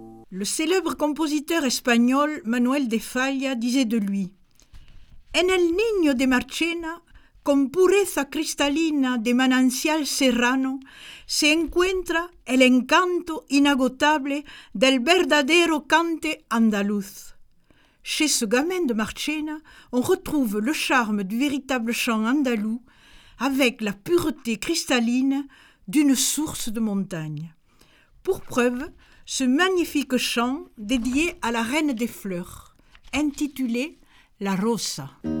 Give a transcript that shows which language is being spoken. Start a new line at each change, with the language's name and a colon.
French: Le célèbre compositeur espagnol Manuel de Falla disait de lui:
Spanish: En el niño de Marchena, con pureza cristalina de manancial serrano, se encuentra el encanto inagotable del verdadero cante andaluz.
French: Chez ce gamin de Marchena, on retrouve le charme du véritable chant andalou avec la pureté cristalline d'une source de montagne. Pour preuve, ce magnifique chant dédié à la reine des fleurs, intitulé La Rosa.